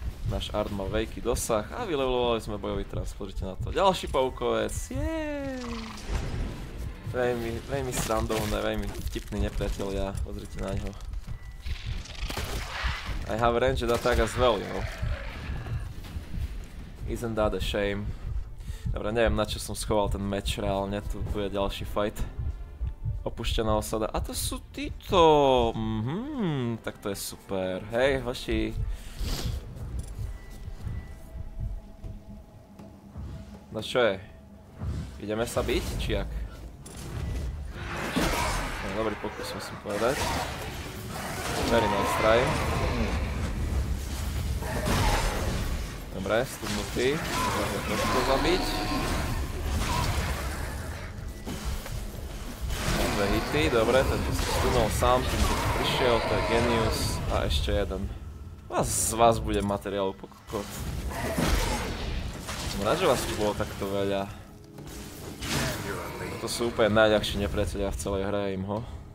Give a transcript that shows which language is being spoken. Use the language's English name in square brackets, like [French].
[Slovak] Náš Ard má veľký dosah a vylevelovali sme bojový trans, pozrite na to. Ďalší paukovec, jeeej! Veľmi srandovné, veľmi vtipný nepriateľ ja, pozrite na ňo. [English] I have ranged attack as well, you know. Isn't that a shame? [Slovak] Dobre, neviem na čo som schoval ten meč reálne, tu je ďalší fight. Opuštená osada. A to sú títo. Tak to je super. Hej, hoši. No čo je? Ideme sa biť, či jak? No, dobrý pokus musím povedať. [English] Very nice try. [Slovak] Dobre, stupnutý. Môžem trošku zabiť. Dve hity, dobre, takže si stunol sám, tým si prišiel, to je genius a ešte jeden. Z vás bude materiál upokokot. Som rád, že vás tu bolo takto veľa. To sú úplne najľahšie nepriateľia v celej hre, im ho.